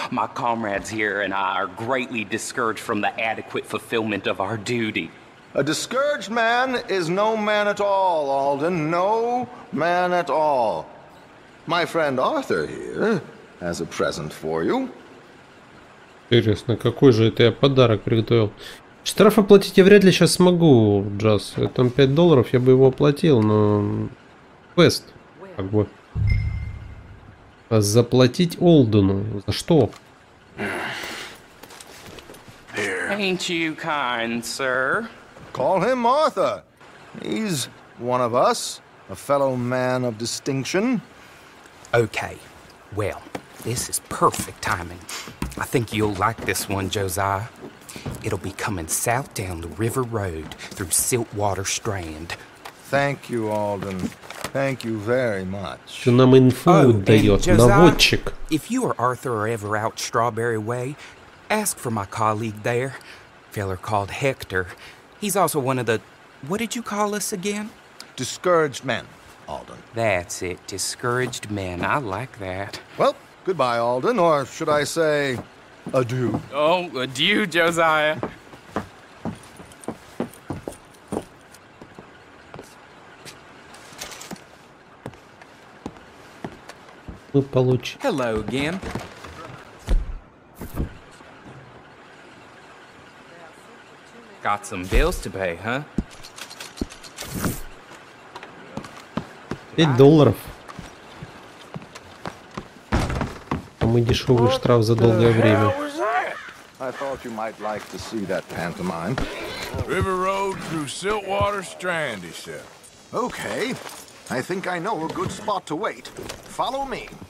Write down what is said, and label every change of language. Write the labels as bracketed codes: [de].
[en] My comrades here and I are greatly discouraged from the adequate fulfillment of our duty. A discouraged man is no man at all, Alden. No man at all. My friend Arthur here has a present for you. [ru] Интересно, какой же это я подарок приготовил? Штраф оплатить я вряд ли сейчас смогу, Джаз. Там $5, я бы его оплатил, но... Квест, как бы. Заплатить Олдену. За что? [en] Ain't you kind, sir? Call him Arthur. He's one of us. A fellow man of distinction. Okay, well, this is perfect timing. I think you'll like this one, Josiah. It'll be coming south down the river road through Siltwater Strand. Thank you, Alden. Thank you very much. [ru] Что нам инфу дает, наводчик? [en] If you or Arthur are ever out Strawberry Way, ask for my colleague there. Feller called Hector. He's also one of the... What did you call us again? Discouraged men, Alden. That's it. Discouraged men. I like that. Well... Goodbye, Alden, or should I say, adieu. Oh, adieu, Josiah. [ru] Мы получим. [en] Hello again. Got some bills to pay, huh? $5. [ru] Мы дешевый штраф за долгое время. [en] I thought you might like to see that pantomime. River Road through Siltwater Strand, he said. Okay. I think I know a good spot to wait. Follow me.